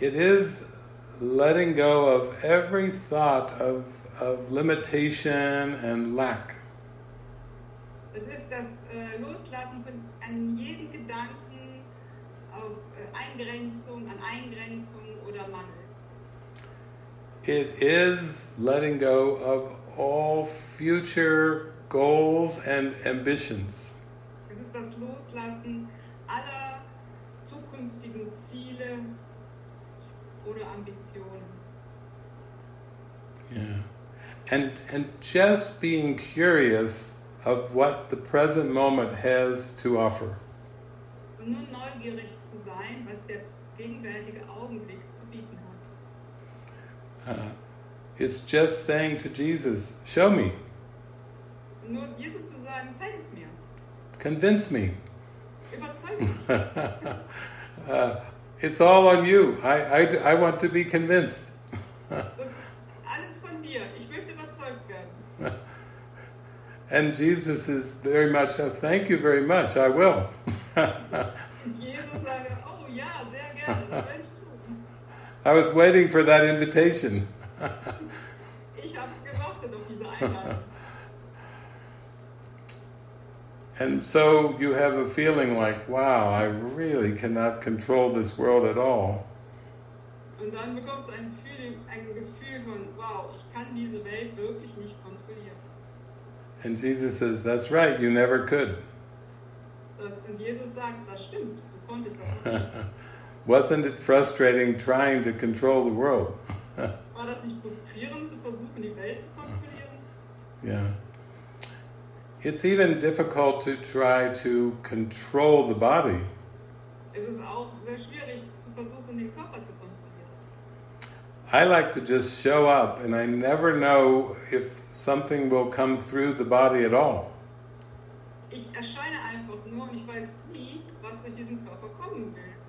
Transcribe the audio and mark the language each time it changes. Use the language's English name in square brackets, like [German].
[English] It is letting go of every thought of limitation and lack. [German] Es ist das Loslassen von an jedem Gedanken auf Eingrenzung, an Eingrenzung oder Mangel. [English] It is letting go of all future goals and ambitions. [German] Es ist das Loslassen aller zukünftigen Ziele oder Ambitionen. Yeah. [English] And just being curious of what the present moment has to offer. [German] Und nur neugierig zu sein, was der gegenwärtige Augenblick zu bieten hat. [English] It's just saying to Jesus, show me. [German] Nur Jesus zu sagen, zeig es mir. [English] Convince me. [German] Überzeug mich. [English] It's all on you. I want to be convinced. [German] Alles von dir. Ich möchte überzeugt werden. [English] And Jesus is very much, thank you very much, I will. [German] Jesus sagt, oh ja, sehr gerne, werde ich tun. [English] I was waiting for that invitation. [German] Ich habe gewartet auf diese Einladung. [English] And so you have a feeling like, wow, I really cannot control this world at all. [German] Und dann bekommst du ein Gefühl von, wow, ich kann diese Welt wirklich nicht kontrollieren. [English] And Jesus says, that's right, you never could. [German] Und Jesus sagt, das stimmt, du konntest das nicht. [English] Wasn't it frustrating trying to control the world? [German] War das nicht frustrierend, zu versuchen, die Welt zu kontrollieren? Yeah. [English] It's even difficult to try to control the body. [German] Es ist auch sehr schwierig, zu versuchen, den Körper zu kontrollieren. [English] I like to just show up, and I never know if something will come through the body at all. [German] Ich erscheine einfach nur, und ich weiß nie, was durch diesen Körper kommen will.